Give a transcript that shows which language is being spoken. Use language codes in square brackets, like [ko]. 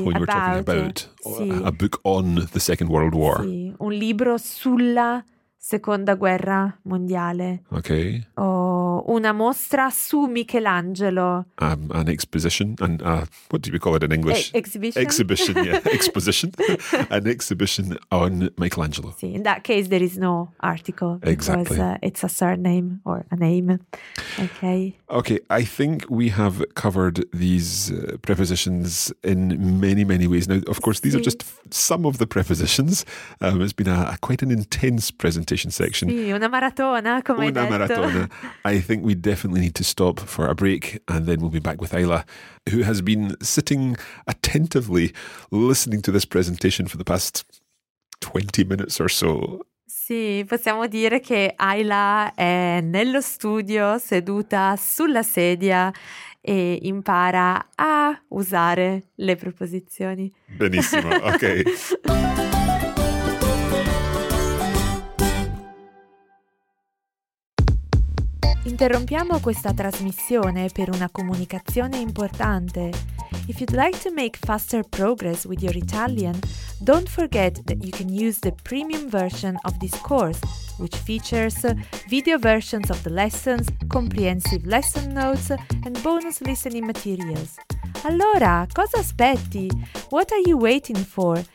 [en] when you were talking about [it] sì. [en] a book on the Second World War. [it] Sì. Un libro sulla Seconda Guerra Mondiale. [en] Okay. [it] O una mostra su Michelangelo. [en] An exposition? And what do we call it in English? Exhibition, yeah. Exposition. An exhibition on Michelangelo. [it] Sì. [en] In that case, there is no article. Exactly. Because it's a surname or a name. Okay. Okay, I think we have covered these prepositions in many, many ways. Now, of course, these sì. are just some of the prepositions. It's been a quite an intense presentation. Section. [it] Sì, una maratona, come una hai detto. Maratona. [en] I think we definitely need to stop for a break and then we'll be back with Ayla, who has been sitting attentively listening to this presentation for the past 20 minutes or so. [it] Sì. sì, possiamo dire che Ayla è nello studio, seduta sulla sedia e impara a usare le preposizioni. Benissimo, ok. Interrompiamo questa trasmissione per una comunicazione importante. [en] If you'd like to make faster progress with your Italian, don't forget that you can use the premium version of this course, which features video versions of the lessons, comprehensive lesson notes, and bonus listening materials. [it] Allora, cosa aspetti? [en] What are you waiting for?